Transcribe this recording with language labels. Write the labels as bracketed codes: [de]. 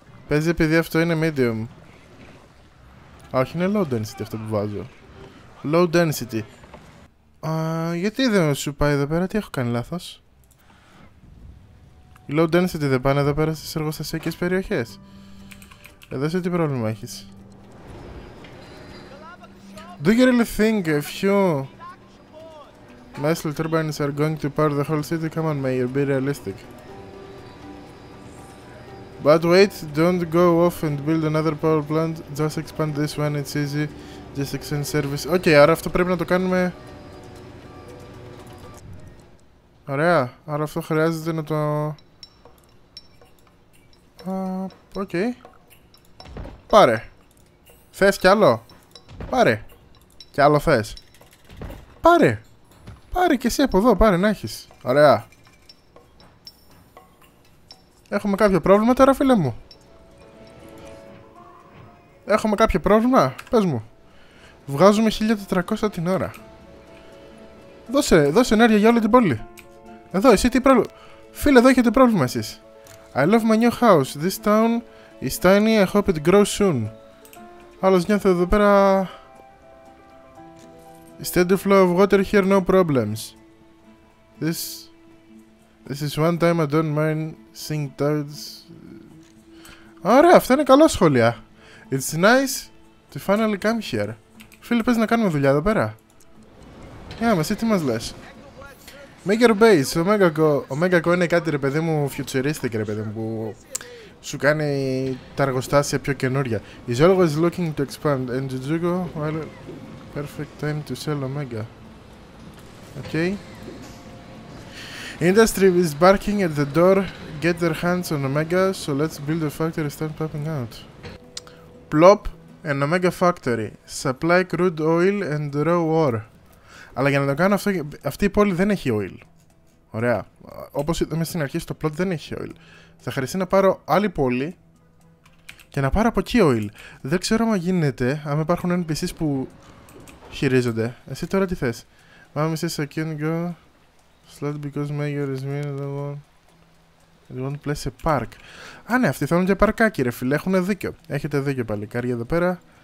[el] Παίζει επειδή αυτό είναι medium. Όχι, είναι low density αυτό που βάζω. Low density. Γιατί δεν σου πάει εδώ πέρα, τι έχω κάνει λάθος. Οι low density δεν πάνε εδώ πέρα στις εργοστασιακές περιοχές. Εδώ σε τι πρόβλημα έχεις. [en] Do you really think a few massive turbines are going to power the whole city? Come on, mayor, be realistic. But wait, don't go off and build another power plant. Just expand this one, it's easy. Just extend service. [el] Okay, άρα αυτό πρέπει να το κάνουμε. Ωραία, άρα αυτό χρειάζεται να το... Okay. Πάρε. Θες κι άλλο. Πάρε. Κι άλλο θες. Πάρε. Πάρε κι εσύ από εδώ. Πάρε να έχεις. Ωραία. Έχουμε κάποιο πρόβλημα τώρα, φίλε μου. Έχουμε κάποιο πρόβλημα. Πες μου. Βγάζουμε 1400 την ώρα. Δώσε ενέργεια για όλη την πόλη. Εδώ εσύ τι πρόβλημα. Φίλε εδώ έχετε πρόβλημα εσείς. [en] I love my new house. This town is tiny. I hope it grows soon. [el] Άλλος νιώθω εδώ πέρα. [en] Steady flow of water here, no problems. This is one time I don't mind seeing tides. [el] Ωραία, αυτά είναι καλά σχόλια. [en] It's nice to finally come here. [el] Φίλε, πες να κάνουμε δουλειά εδώ πέρα. Για μας, τι μας λες. Maker Base, Omega Co είναι κάτι ρε παιδί μου, futuristic ρε παιδί μου, που σου κάνει τα εργοστάσια πιο καινούρια. [en] Is always looking to expand, and Jujugo, well, perfect time to sell Omega. Okay. Industry is barking at the door, get their hands on Omega, so let's build a factory and start popping out. Plop, an Omega factory, supply crude oil and raw ore. [el] Αλλά για να το κάνω αυτό, αυτή η πόλη δεν έχει oil. Ωραία. Όπως είδαμε στην αρχή, στο plot δεν έχει oil. Θα χρειαστεί να πάρω άλλη πόλη και να πάρω από εκεί oil. Δεν ξέρω αν γίνεται, αν υπάρχουν NPCs που χειρίζονται. Εσύ τώρα τι θες? Mom says I can't go slot because major is mean, I won't play a park. Α, ναι, αυτοί θέλουν και παρκάκι ρε φίλε, έχουν δίκιο. Έχετε δίκιο παλικάρια εδώ πέρα.